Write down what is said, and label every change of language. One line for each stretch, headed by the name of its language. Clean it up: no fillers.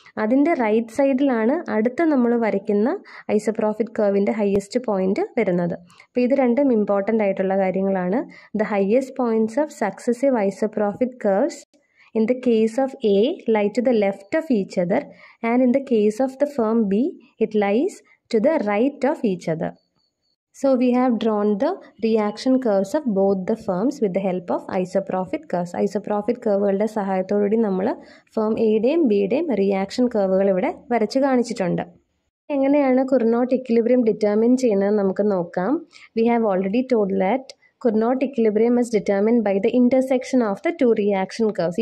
Malayalam: അതിൻ്റെ റൈറ്റ് സൈഡിലാണ് അടുത്ത നമ്മൾ വരയ്ക്കുന്ന ഐസോപ്രോഫിറ്റ് കർവിൻ്റെ ഹയസ്റ്റ് പോയിൻ്റ് വരുന്നത്. അപ്പോൾ ഇത് രണ്ടും ഇമ്പോർട്ടൻ്റ് ആയിട്ടുള്ള കാര്യങ്ങളാണ്.
English: The highest points of successive isoprofit curves in the case of A lie to the left of each other and in the case of the firm B it lies to the right of each other. So we have drawn the reaction curves of both the firms with the help of isoprofit curves.
Malayalam: Isoprofit curve-കളുടെ സഹായത്തോടെ നമ്മൾ firm എയുടെയും ബിയുടെയും reaction കർവുകൾ ഇവിടെ വരച്ച് കാണിച്ചിട്ടുണ്ട്. എങ്ങനെയാണ് കുർനോട്ട് equilibrium determine ചെയ്യുന്നത് നമുക്ക് നോക്കാം.
English: We have already told that Cournot equilibrium is determined by the intersection of the two reaction curves.